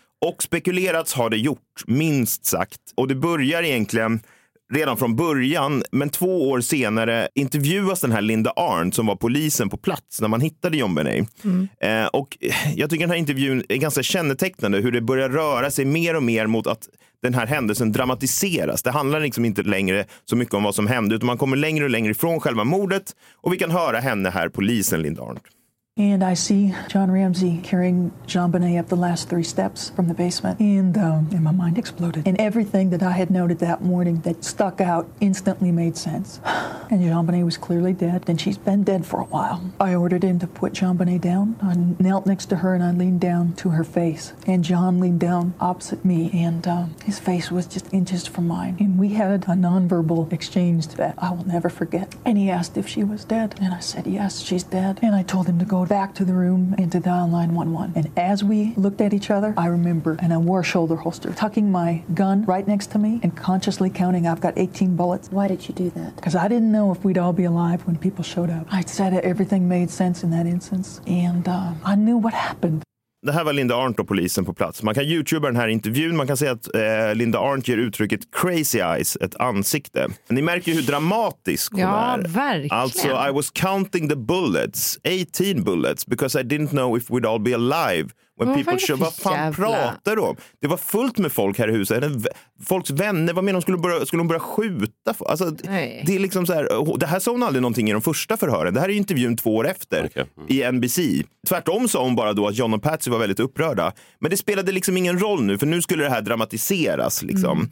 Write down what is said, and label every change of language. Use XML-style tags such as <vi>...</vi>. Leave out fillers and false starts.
<sv>Och spekulerats har det gjort, minst sagt. Och det börjar egentligen redan från början, men 2 år senare intervjuas den här Linda Arndt som var polisen på plats när man hittade JonBenet. Och jag tycker den här intervjun är ganska kännetecknande, hur det börjar röra sig mer och mer mot att den här händelsen dramatiseras. Det handlar liksom inte längre så mycket om vad som hände, utan man kommer längre och längre ifrån själva mordet. Och vi kan höra henne här, polisen Linda Arndt.</sv> <en>And I see John Ramsey carrying JonBenet up the last 3 steps from the basement. And my mind exploded. And everything that I had noted that morning that stuck out instantly made sense. And JonBenet was clearly dead, and she's been dead for a while. I ordered him to put JonBenet down. I knelt next to her, and I leaned down to her face. And John leaned down opposite me, and his face was just inches from mine. And we had a nonverbal exchange that I will never forget. And he asked if she was dead. And I said, yes, she's dead. And I told him to go back to the room and to dial 911. And as we looked at each other, I remember, and I wore a shoulder holster, tucking my gun right next to me and consciously counting, I've got 18 bullets. Why did you do that? Because I didn't know if we'd all be alive when people showed up. I said that everything made sense in that instance, and I knew what happened.</en> <sv>Det här var Linda Arndt och polisen på plats. Man kan YouTubea den här intervjun. Man kan säga att Linda Arndt ger uttrycket crazy eyes, ett ansikte. Men ni märker ju hur dramatisk hon är. Ja, verkligen. Alltså,</sv> <en>I was counting the bullets, 18 bullets, because I didn't know if we'd all be alive. When people show,</en> <sv>vad fan jävla pratar de? Det var fullt med folk här i huset. Folks vänner, vad menar de? Skulle de börja skjuta? Alltså, det är liksom så här, det här sa hon aldrig någonting i de första förhören. Det här är ju intervjun 2 år efter i NBC. Tvärtom sa hon bara då att John och Patsy var väldigt upprörda. Men det spelade liksom ingen roll nu, för nu skulle det här dramatiseras. Liksom. Mm.</sv>